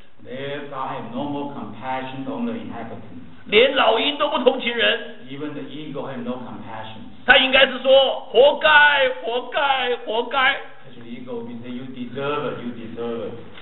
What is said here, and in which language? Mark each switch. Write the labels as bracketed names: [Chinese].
[English] There I have no more compassion on the inhabitants. [Chinese] 连老鹰都不同情人。 [English] Even the eagle have no compassion. [Chinese] 他应该是说活该，活该，活该。 [English] Actually, eagle would be saying, "You deserve it. You deserve it."